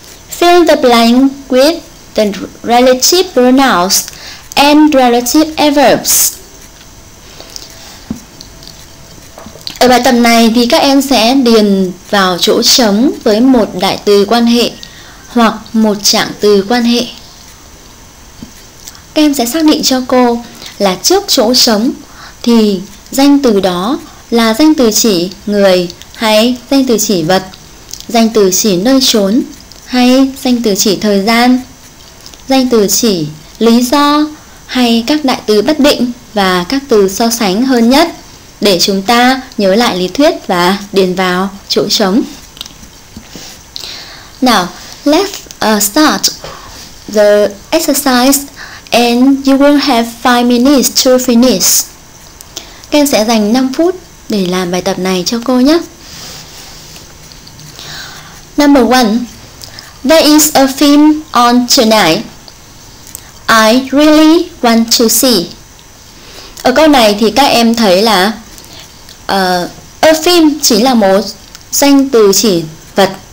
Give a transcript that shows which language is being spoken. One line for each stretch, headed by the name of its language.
English: Fill the blank with the relative pronouns and relative adverbs.
Vietnamese: Ở bài tập này thì các em sẽ điền vào chỗ trống với một đại từ quan hệ hoặc một trạng từ quan hệ. Các em sẽ xác định cho cô là trước chỗ trống thì danh từ đó là danh từ chỉ người hay danh từ chỉ vật, danh từ chỉ nơi chốn hay danh từ chỉ thời gian, danh từ chỉ lý do hay các đại từ bất định và các từ so sánh hơn nhất. Để chúng ta nhớ lại lý thuyết và điền vào chỗ trống.
English: Now, let's start the exercise and you will have 5 minutes to finish.
Vietnamese: Các em sẽ dành 5 phút để làm bài tập này cho cô nhé.
English: Number 1. There is a film on tonight. I really want to see.
Vietnamese: Ở câu này thì các em thấy là a film chỉ là một danh từ chỉ vật.